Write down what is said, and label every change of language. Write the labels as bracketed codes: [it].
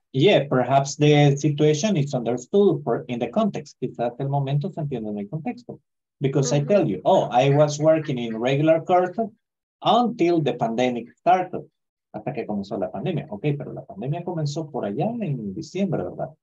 [en] Yeah, perhaps the situation is understood in the context. [es] Quizás el momento se entiende en el contexto. [en] Because I tell you, oh, I was working in regular courses until the pandemic started. [es] Hasta que comenzó la pandemia. Ok, pero la pandemia comenzó por allá en diciembre, ¿verdad?